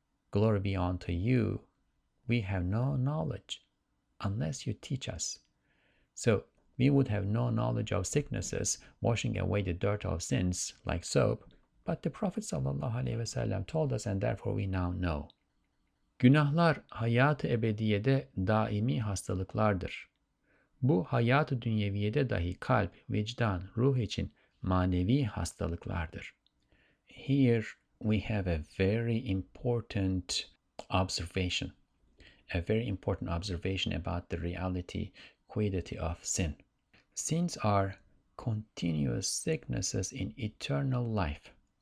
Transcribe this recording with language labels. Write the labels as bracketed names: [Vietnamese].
[English] Glory be unto you. We have no knowledge unless you teach us. So we would have no knowledge of sicknesses washing away the dirt of sins like soap, but the Prophet [Arabic] sallallahu alaihi wasallam [English] told us, and therefore we now know. [Turkish] Günahlar hayat-ı ebediyede daimi hastalıklardır. Bu hayat-ı dünyeviyede dahi kalp, vicdan, ruh için manevi hastalıklardır. [English] Here we have a very important observation. A very important observation about the reality, quiddity of sin. Sins are continuous sicknesses in eternal life.